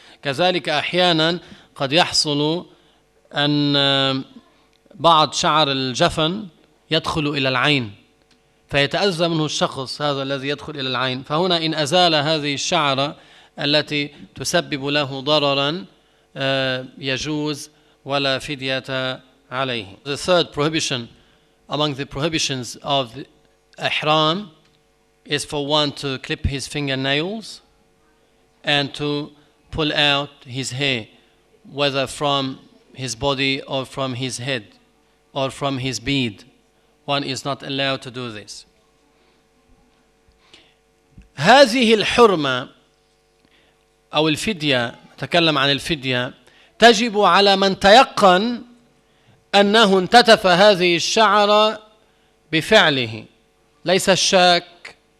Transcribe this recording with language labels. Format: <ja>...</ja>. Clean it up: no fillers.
<ar>كذلك أحيانا قد يحصل أن بعض شعر الجفن يدخل إلى العين فيتأذى منه الشخص هذا الذي يدخل إلى العين، فهنا إن أزال هذه الشعرة التي تسبب له ضررا يجوز ولا فدية عليه.</ar> <en>The third prohibition among the prohibitions of ihram is for one to clip his fingernails and to pull out his hair, whether from his body or from his head or from his beard. One is not allowed to do this.</en> <ar>هذه الحرمة أو الفدية، تكلم عن الفدية، تجب على من تيقن أنه انتتف هذه الشعرة بفعله، ليس الشاك.</ar>